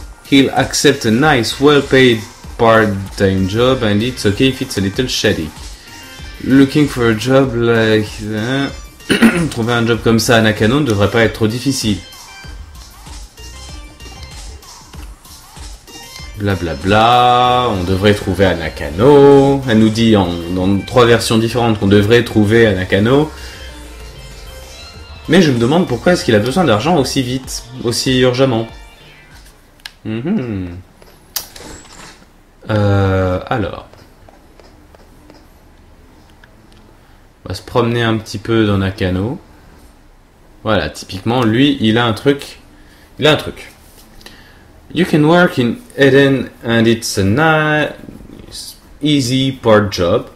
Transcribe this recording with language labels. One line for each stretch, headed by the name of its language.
English: He'll accept a nice, well-paid part-time job and it's okay if it's a little shady. Looking for a job like that...
French: Trouver un job comme ça à Nakano ne devrait pas être trop difficile. Blablabla, on devrait trouver à Nakano. Elle nous dit dans trois versions différentes qu'on devrait trouver à Nakano. Mais je me demande pourquoi est-ce qu'il a besoin d'argent aussi vite, aussi urgemment. Alors... On va se promener un petit peu dans Nakano. Voilà, typiquement, lui, il a un truc. Il a un truc.
English: You can work in Eden and it's a nice, easy part job.